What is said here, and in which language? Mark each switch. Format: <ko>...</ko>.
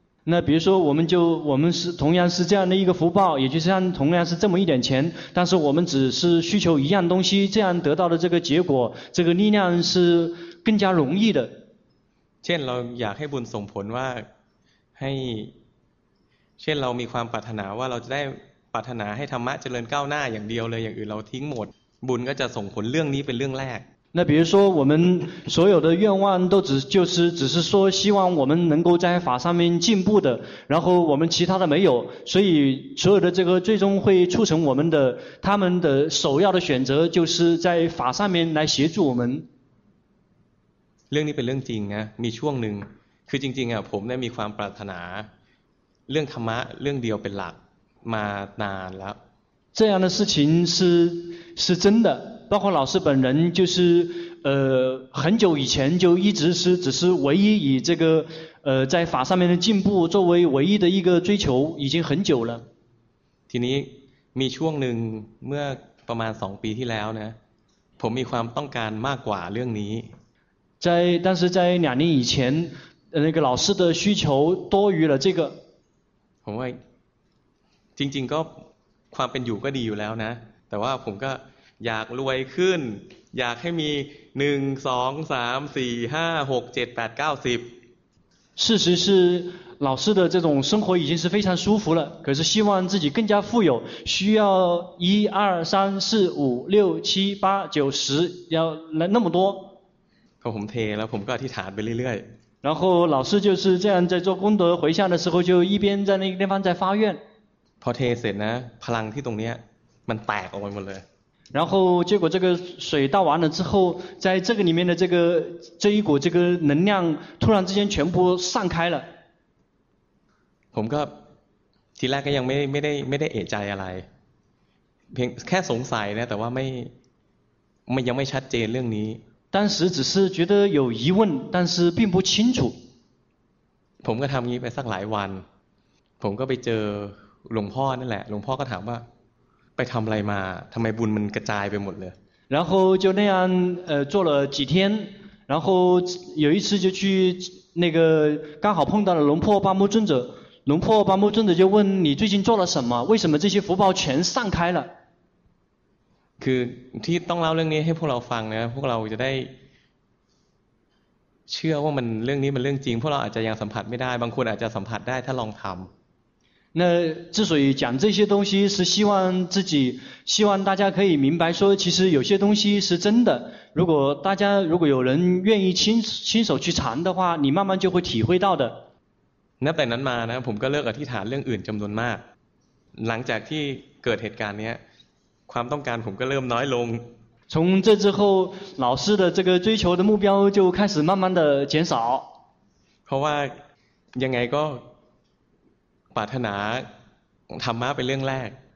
<zh>那比如说，我们是同样是这样的一个福报，也就是像同样是这么一点钱，但是我们只是需求一样东西，这样得到的这个结果，这个力量是更加容易的。</zh> <th>เช่น，เราอยากให้บุญส่งผลว่าให้เช่นเรามีความปรารถนาว่าเราจะได้ปรารถนาให้ธรรมะเจริญก้าวหน้าอย่างเดียวเลยอย่างอื่นเราทิ้งหมดบุญก็จะส่งผลเรื่องนี้เป็นเรื่องแรก</th> <zh>那比如说我们所有的愿望都只是说希望我们能够在法上面进步的然后我们其他的没有所以所有的这个最终会促成我们的他们的首要的选择就是在法上面来协助我们</zh> <th>เรื่องนี้เป็นเรื่องจริงนะมีช่วงหนึ่งคือจริงๆอ่ะผมได้มีความปรารถนาเรื่องธรรมะเรื่องเดียวเป็นหลักมานานแล้ว</th> <zh>这样的事情是真的包括老师本人就是很久以前就一直是只是唯一以这个在法上面的进步作为唯一的一个追求已经很久了</zh> <th>ทีนี้มีช่วงนึงเมื่อประมาณ2ปีที่แล้วนะผมมีความต้องการมากกว่าเรื่องนี้</th> <zh>在但是在2年以前那个老师的需求多余了这个</zh> <th>ผมว่าจริงๆก็ความเป็นอยู่ก็ดีอยู่แล้วนะแต่ว่าผมก็อยากรวยขึ้นอยากให้มี1 2 3 4 5 6 7 8 9 10</th> <zh>事实是老师的这种生活已经是非常舒服了可是希望自己更加富有需要1 2 3 4 5 6 7 8 9 10要来那么多</zh> <th>ผมเทแล้วผมก็อธิษฐานไปเรื่อยๆ</th> <zh>然后老师就是这样在做功德回向的时候就一边在那个地方在发愿</zh> <th>พอเทเสร็จนะพลังที่ตรงนี้มันแตกออกไปหมดเลย</th> <zh>然后结果这个水倒完了之后在这个里面的这一股这个能量突然之间全部散开了</zh> <th>ผมก็ทีแรกก็ยังไม่ได้เอะใจอะไรเพียงแค่สงสัยนะแต่ว่าไม่ยังไม่ชัดเจนเรื่องนี้</th> <zh>当时只是觉得有疑问但是并不清楚</zh> <th>ผมก็ทำงี้ไปสักหลายวันผมก็ไปเจอหลวงพ่อนั่นแหละหลวงพ่อก็ถามว่าไปทำอะไรมาทำไมบุญมันกระจายไปหมดเลย</th> <zh>然后就那样做了几天然后有一次就去那个刚好碰到了龙破巴木尊者龙破巴木尊者就问你最近做了什么为什么这些福报全散开了</zh> <th>คือที่ต้องเล่าเรื่องนี้ให้พวกเราฟังนะพวกเราจะได้เชื่อว่ามันเรื่องนี้มันเรื่องจริงพวกเราอาจจะยังสัมผัสไม่ได้บางคนอาจจะสัมผัสได้ถ้าลองทำ</th> <zh>那之所以讲这些东西是希望大家可以明白说其实有些东西是真的如果大家如果有人愿意亲手去尝的话你慢慢就会体会到的</zh> <th>นับแต่นั้นมานะผมก็เลิกอธิษฐานเรื่องอื่นจำนวนมากหลังจากที่เกิดเหตุการณ์นี้ ความต้องการผมก็เริ่มน้อยลง</th> <zh>从这之后老师的这个追求的目标就开始慢慢的减少</zh> <th>เพราะว่ายังไงก็ปรารถนาธรรมะเป็นเรื่องแรก</th>